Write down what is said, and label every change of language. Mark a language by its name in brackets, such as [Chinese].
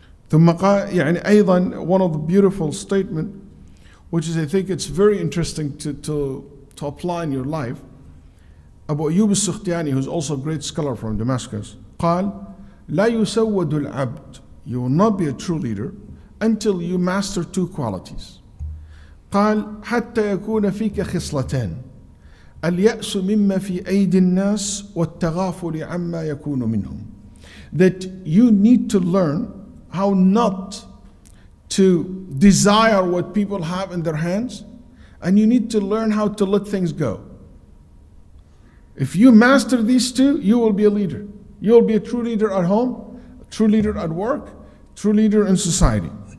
[Arabic] ثُمَّ قَالَ يعني أيضا, [English] one of the beautiful statement, which is I think it's very interesting to apply in your life. Abu Ayyub al-Sukhtiani, who's also a great scholar from Damascus, [Arabic] قال لا يسود العبد. [English] You will not be a true leader until you master two qualities. [Arabic] قال حتى يكون فيك خصلتان اليأس مما في أيدي الناس والتغافل عما يكون منهم. [English] That you need to learn how not to desire what people have in their hands, and you need to learn how to let things go. If you master these two, you will be a leader. You will be a true leader at home, a true leader at work, a true leader in society.